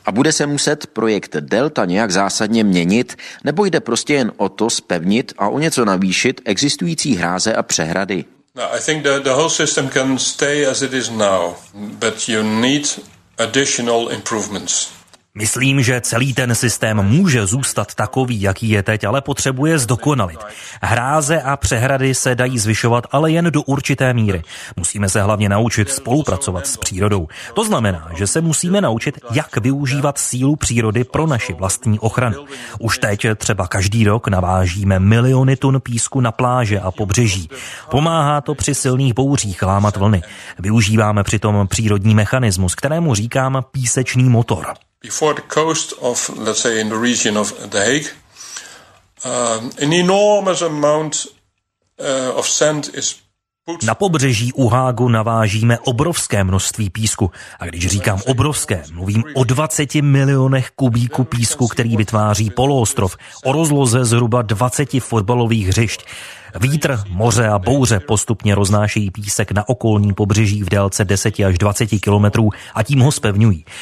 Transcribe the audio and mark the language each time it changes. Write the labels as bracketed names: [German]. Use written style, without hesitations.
[Czech] A bude se muset projekt Delta nějak zásadně měnit, nebo jde prostě jen o to zpevnit a o něco navýšit existující hráze a přehrady? [English] No, I think the whole system can stay as it is now, but you need additional improvements. [Czech] Myslím, že celý ten systém může zůstat takový, jaký je teď, ale potřebuje zdokonalit. Hráze a přehrady se dají zvyšovat, ale jen do určité míry. Musíme se hlavně naučit spolupracovat s přírodou. To znamená, že se musíme naučit, jak využívat sílu přírody pro naši vlastní ochranu. Už teď třeba každý rok navážíme miliony tun písku na pláže a pobřeží. Pomáhá to při silných bouřích lámat vlny. Využíváme přitom přírodní mechanismus, kterému říkám písečný motor. [English] Before the coast of, let's say, in the region of The Hague, an enormous amount of sand is. [Czech] Na pobřeží u Hágu navážíme obrovské množství písku. A když říkám obrovské, mluvím o 20 milionech kubíků písku, který vytváří poloostrov, o rozloze zhruba 20 fotbalových hřišť. Vítr, moře a bouře postupně roznášejí písek na okolní pobřeží v délce 10 až 20 kilometrů a tím ho zpevňují.